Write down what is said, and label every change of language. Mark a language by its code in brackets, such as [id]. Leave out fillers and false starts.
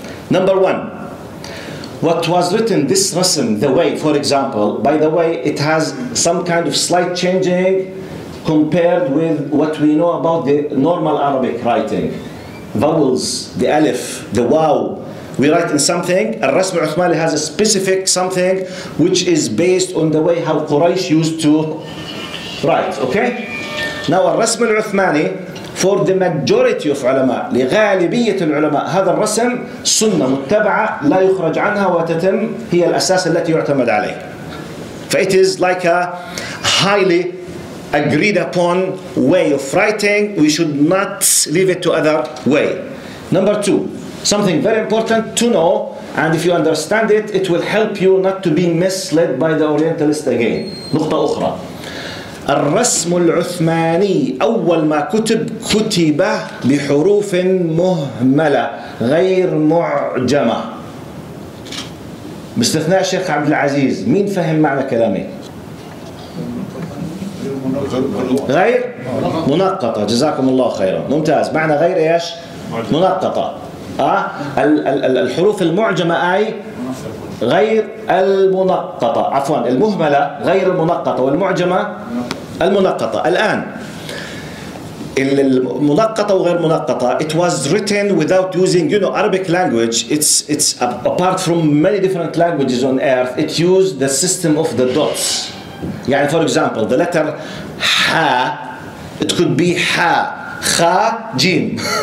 [en] Number one, what was written this رسم, the way, for example, by the way, it has some kind of slight changing compared with what we know about the normal Arabic writing. Vowels, the alif, the waw. We write in something, al-Rasm al-Uthmani has a specific something which is based on the way how Quraysh used to write, okay? Now al-Rasm al-Uthmani, for the majority of ulama, [ar] لغالبية العلماء, هذا الرسم سنة متبعة لا يخرج عنها وتتم هي الأساس التي يعتمد عليه. [en] It is like a highly agreed upon way of writing. We should not leave it to other way. Number two, something very important to know, and if you understand it, it will help you not to be misled by the Orientalist again. [ar] نقطة أخرى. الرسم العثماني أول ما كتب كتب بحروف مهملة غير معجمة. باستثناء الشيخ عبد العزيز. مين فهم معنى كلامي؟ غير منقطة. جزاكم الله خيرا. ممتاز. معنى غير ايش؟ منقطة. الحروف المعجمة اي غير المنقطة. عفوا المهملة غير المنقطة والمعجمة المنقطة. الان المنقطة وغير منقطة. [en] It was written without using, you know, Arabic language. It's apart from many different languages on earth. It used the system of the dots. يعني for example, the letter ح, it could be ح, خ, جيم.